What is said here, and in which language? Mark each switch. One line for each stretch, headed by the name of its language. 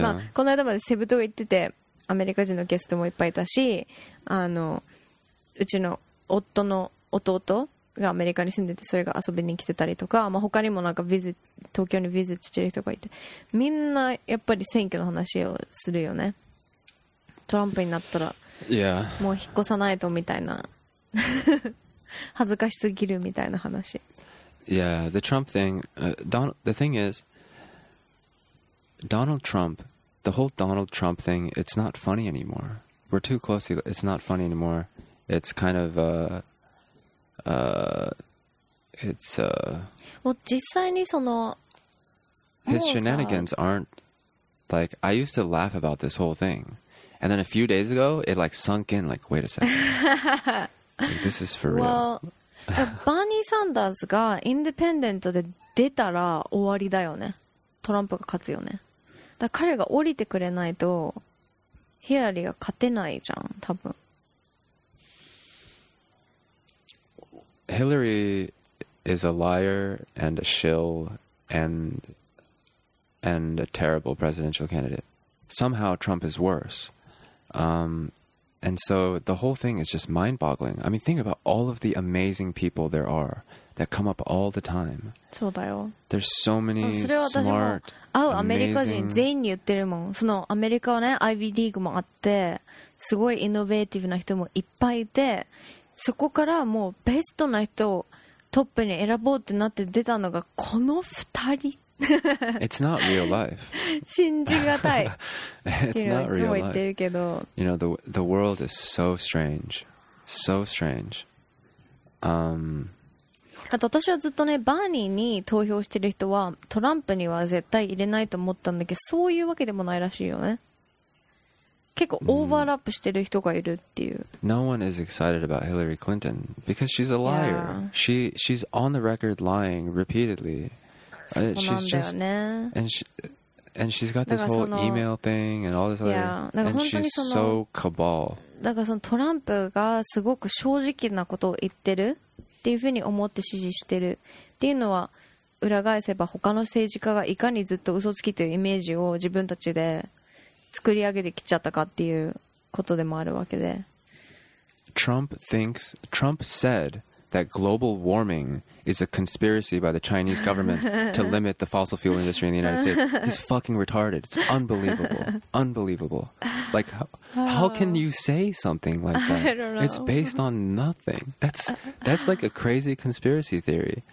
Japanese: まあ、この間までセブ島行ってて、アメリカ人のゲストもいっぱいいたし、あのうちの夫の弟がアメリカに住んでて、それが遊びに来てたりとか、まあ、他にもなんか東京にビジットしてる人がいて、みんなやっぱり選挙の話をするよね。トランプになったら、
English: yeah.
Japanese: もう引っ越さないとみたいな、恥ずかしすぎるみたいな話。
English: Yeah, the Trump thing,、the thing is, Donald Trump,The whole Donald Trump thing, it's not funny anymore. We're too close. It's not funny anymore. It's kind of, it's, Well,
Japanese: 実際にその
English: His shenanigans aren't, like, I used to laugh about this whole thing. And then a few days ago, it, like, sunk in, like, wait a second. like, this is for well, real. Well,
Japanese: Bernie Sanders が independent で出たら終わりだよね。トランプが勝つよね。だ彼が降りてくれないとヒラリーが勝てないじゃん多分。
English: Hillary is a liar and a shill and a terrible presidential candidate. Somehow Trump is worse. And so the whole thing is just mind-boggling. I mean, think about all of the amazing people there are that come up all the time.
Japanese: そうだよ。
English: There's so many smart, amazing...
Japanese: アメリカ人全員に言ってるもん。そのアメリカはね、Ivy Leagueもあって、すごいイノベーティブな人もいっぱいいて、そこからもうベストな人をトップに選ぼうってなって出たのがこの二人。
English: It's not real life.
Japanese: 信じがたい。
English: It's not real life.
Japanese: いつも言ってるけど。
English: You know, the world is so strange. So strange.
Japanese: あと私はずっとね、バーニーに投票してる人はトランプには絶対入れないと思ったんだけど、そういうわけでもないらしいよね。結構オーバーラップしてる人がいるっていう。
English: No one is excited about Hillary Clinton because she's a liar. Yeah. She's on the record lying repeatedly.
Japanese: そこなんだよね、
English: she's just, and she's got this whole email thing and all this other, yeah, and she's so cabal.
Japanese: だからそのトランプがすごく正直なことを言ってるっていうふうに思って支持してるっていうのは裏返せば他の政治家がいかにずっと嘘つきというイメージを自分たちで作り上げてきちゃったかっていうことでもあるわけで。
English: Trump said that global warming. Is a conspiracy by the Chinese government to limit the fossil fuel industry in the United States. He's fucking retarded. It's unbelievable. Unbelievable. Like, how can you say something like that? I don't know. It's based on nothing. That's like a crazy conspiracy theory.